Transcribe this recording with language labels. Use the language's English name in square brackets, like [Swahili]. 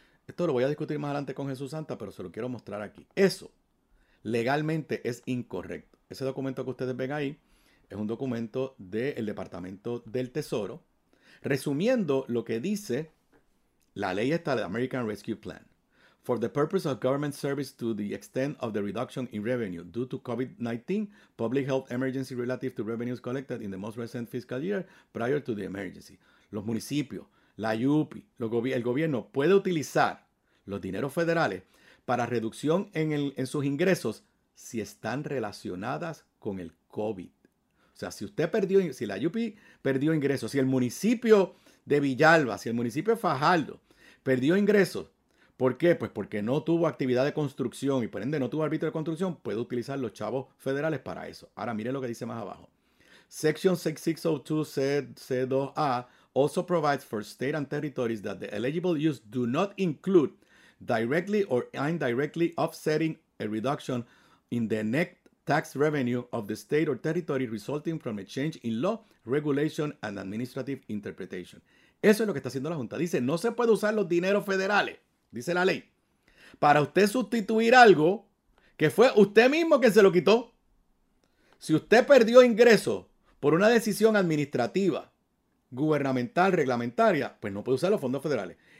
[Spanish] Esto lo voy a discutir más adelante con Jesús Santa, pero se lo quiero mostrar aquí. Eso legalmente es incorrecto. Ese documento que ustedes ven ahí es un documento del Departamento del Tesoro, resumiendo lo que dice la ley esta de American Rescue Plan. [English] For the purpose of government service to the extent of the reduction in revenue due to COVID-19, public health emergency relative to revenues collected in the most recent fiscal year prior to the emergency. [Spanish] Los municipios, la IUPI, el gobierno puede utilizar los dineros federales para reducción en sus ingresos si están relacionadas con el COVID. O sea, si la IUPI perdió ingresos, si el municipio de Villalba, si el municipio de Fajardo perdió ingresos, ¿por qué? Pues porque no tuvo actividad de construcción y por ende no tuvo arbitrio de construcción, puede utilizar los chavos federales para eso. Ahora mire lo que dice más abajo. [English] Section 6602C2A also provides for state and territories that the eligible use do not include directly or indirectly offsetting a reduction in the net tax revenue of the state or territory resulting from a change in law, regulation and administrative interpretation. [Spanish] Eso es lo que está haciendo la Junta. Dice, no se puede usar los dineros federales. Dice la ley, para usted sustituir algo que fue usted mismo quien se lo quitó. Si usted perdió ingresos por una decisión administrativa, gubernamental, reglamentaria, pues no puede usar los fondos federales.